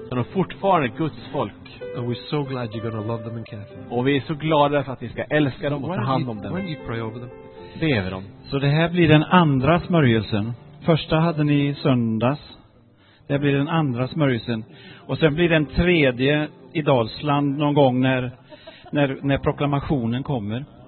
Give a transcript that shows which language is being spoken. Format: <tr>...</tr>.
<sv>De är fortfarande Guds folk.</sv> <en>And we're so glad you're going to love them and care for them.</en> <sv>Och vi är så glada för att ni ska älska dem och ta hand om dem.</sv> <en>When you pray over them.</en> <sv>Så det här blir den andra smörjelsen. Första hade ni söndags. Det blir den andra smörjelsen. Och sen blir den tredje i Dalsland någon gång när proklamationen kommer.</sv>